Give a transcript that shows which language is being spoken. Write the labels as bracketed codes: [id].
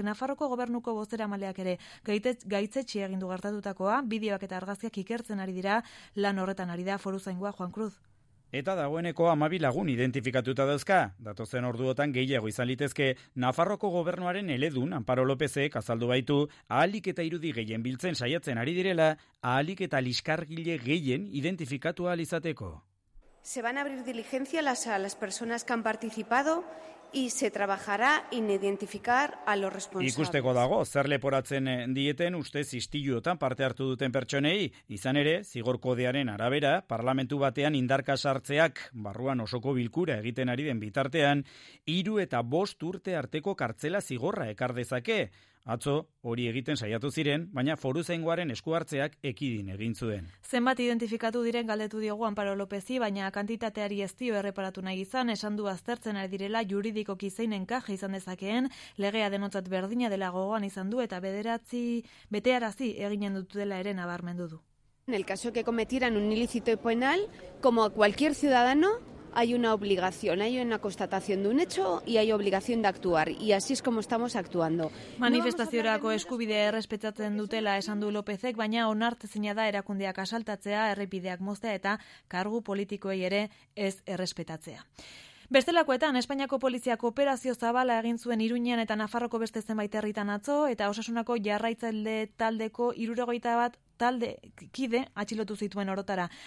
[eu] Nafarroko gobernuko bozeramaleak ere gaitzetsi egin du gertatutakoa, bideoak eta argazkiak ikertzen ari dira, lan horretan ari da Foruzaingoa Juan Cruz. Eta dagoeneko 12 lagun identifikatuta dauzka. Datozen orduotan gehiago izan litezke, Nafarroko gobernuaren eledun Amparo Lopezek azaldu baitu, ahalik eta irudi gehien biltzen saiatzen ari direla, ahalik eta liskargile gehien identifikatu ahal izateko. [es] Se van a abrir diligencias a las personas que han participado y se trabajará en identificar a los responsables. [eu] Ikusteko dago, zer leporatzen dieten ustez istiluotan parte hartu duten pertsonei, izan ere, zigor kodearen arabera, parlamentu batean indarka sartzeak, barruan osoko bilkura egiten ari den bitartean, 3 eta 5 urte arteko kartzela zigorra ekar dezake. Atzo, hori egiten saiatu ziren, baina Foruzaingoaren eskuhartzeak ekidin egin zuen. Zenbat identifikatu diren galdetu diogu Amparo Lopezi, baina kantitateari ez dio erreparatu nahi izan, esan du aztertzen ari direla juridikoki zein enkaje izan dezakeen, legea denontzat berdina dela gogoan izan du eta 9 betearazi eginen dutela ere nabarmendu du. [es] En el caso que cometieran un ilícito penal, como a cualquier ciudadano, hay una obligación, hay una constatación de un hecho y hay obligación de actuar. Y así es como estamos actuando. [eu] Manifestaziorako eskubidea errespetatzen dutela esan du Lopezek, baina onartezina da erakundeak asaltatzea, errepideak moztea eta kargu politikoei ere ez errespetatzea. Bestelakoetan, Espainiako poliziak operazio zabala egin zuen Iruñean eta Nafarroko beste zenbait herritan atzo, eta Osasunako jarraitzaile taldeko 61 talde kide atxilotu zituen orotara.